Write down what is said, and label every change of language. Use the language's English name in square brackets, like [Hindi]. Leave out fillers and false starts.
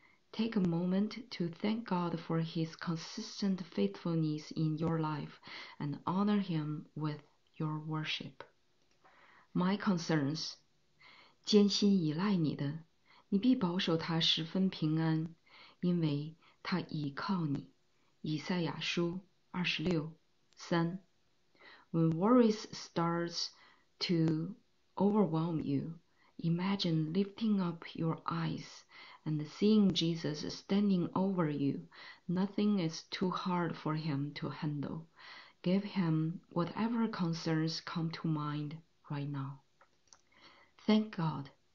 [English] Take a moment to thank God for His consistent faithfulness in your life and honor Him with your worship. My concerns. [Chinese] 艰辛依赖你的，你必保守他十分平安，因为他倚靠你。以赛亚书26:3。 [English] When worries start to overwhelm you, imagine lifting up your eyes and seeing Jesus standing over you. Nothing is too hard for Him to handle. Give Him whatever concerns come to mind right now. Thank God.